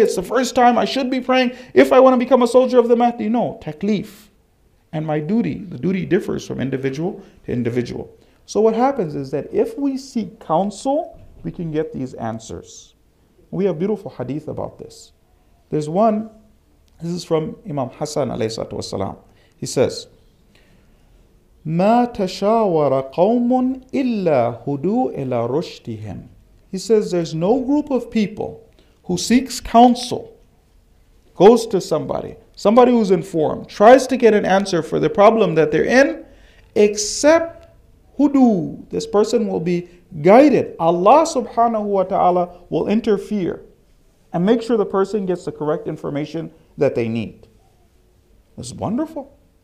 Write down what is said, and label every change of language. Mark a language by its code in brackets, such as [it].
[en] It's the first time I should be praying. If I want to become a soldier of the Mahdi, no. Taklif. And my duty. The duty differs from individual to individual. So what happens is that if we seek counsel, we can get these answers. We have beautiful hadith about this. There's one. This is from Imam Hassan alayhi salatu wasalam. He says, [ar] ما تشاور قوم إلا هدوء إلى رشدهم. [en] He says there's no group of people who seeks counsel, goes to somebody who's informed, tries to get an answer for the problem that they're in, except hudu. This person will be guided. Allah subhanahu wa ta'ala will interfere and make sure the person gets the correct information that they need. This is wonderful.